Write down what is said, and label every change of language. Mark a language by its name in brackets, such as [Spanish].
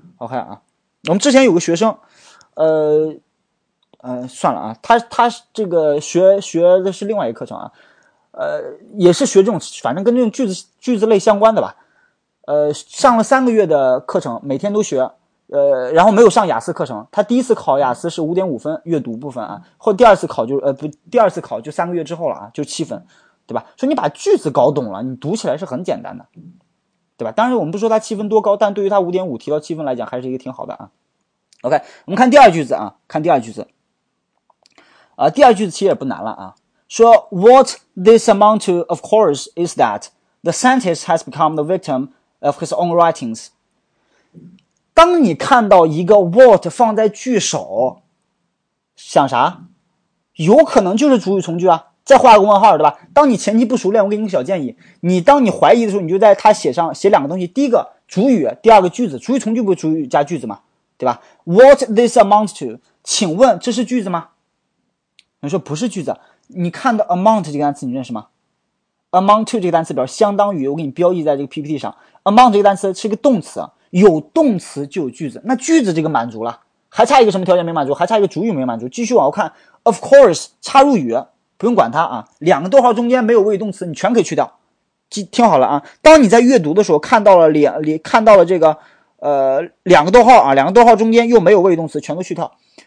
[Chinese] OK 啊，我们之前有个学生算了啊，他这个学的是另外一个课程啊，也是学这种，反正跟这种句子类相关的吧，上了三个月的课程，每天都学，然后没有上雅思课程，他第一次考雅思是 5.5 分阅读部分啊，或第二次考就第二次考就三个月之后了啊，就7分，对吧？说你把句子搞懂了，你读起来是很简单的，对吧？当然我们不说他7分多高，但对于他 5.5 提到7分来讲，还是一个挺好的啊。 OK， 我们看第二句子啊，看第二句子。第二句子其实也不难了啊，说 [English] What this amount to, of course, is that the scientist has become the victim of his own writings. [Chinese] 当你看到一个 what 放在句首，想啥？有可能就是主语从句啊，再画个问号，对吧？当你前期不熟练，我给你个小建议，你当你怀疑的时候，你就在它写两个东西，第一个主语，第二个句子，主语从句不是主语加句子嘛，对吧？ [English] What this amount to, [Chinese] 请问这是句子吗？你说不是句子，你看到 amount 这个单词你认识吗？amount to 这个单词表示相当于，我给你标记在这个 PPT 上， amount 这个单词是个动词，有动词就有句子，那句子这个满足了，还差一个什么条件没满足？还差一个主语没满足。继续往后看， of course 插入语不用管它啊，两个逗号中间没有谓语动词你全可以去掉，听好了啊，当你在阅读的时候看到了这个两个逗号啊，两个逗号中间又没有谓语动词，全都去掉。